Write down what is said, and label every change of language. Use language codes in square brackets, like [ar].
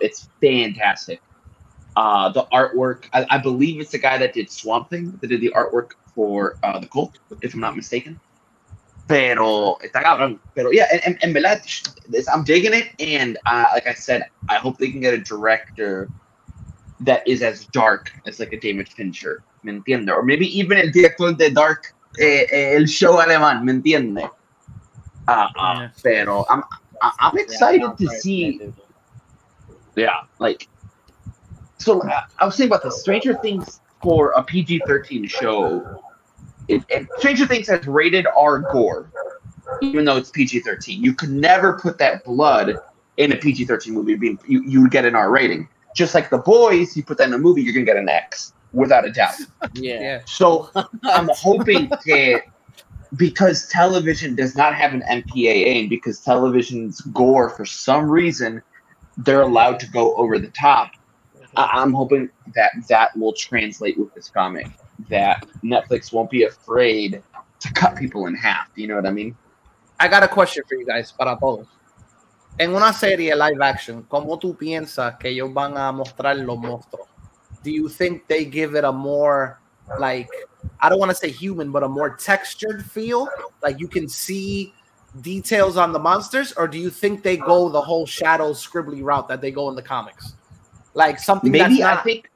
[en] It's fantastic. The artwork, I believe it's the guy that did Swamp Thing that did the artwork for The Cult, if I'm not mistaken. [es] Pero está cabrón. [en] Pero yeah, and verdad, I'm digging it, and like I said, I hope they can get a director that is as dark as like a David Fincher. [es] ¿Me entiende? [en] Or maybe even [es] el director de Dark, el show alemán, ¿me entiende? [en] Pero I'm excited to see. Yeah, like, so I was saying about the Stranger Things for a PG-13 show. And Stranger Things has rated R gore, even though it's PG-13. You could never put that blood in a PG-13 movie. You would get an R rating. Just like The Boys, you put that in a movie, you're going to get an X. Without a doubt. Yeah. So I'm hoping that because television does not have an MPAA, and because television's gore, for some reason, they're allowed to go over the top, I'm hoping that that will translate with this comic, that Netflix won't be afraid to cut people in half. You know what I mean? I got a question for you guys, [es] para todos. En una serie live action, ¿cómo tú piensas que ellos van a mostrar los monstruos? [en] Do you think they give it a more, like, I don't want to say human, but a more textured feel? Like, you can see details on the monsters? Or do you think they go the whole shadow scribbly route that they go in the comics? Like, something maybe that's not, I think,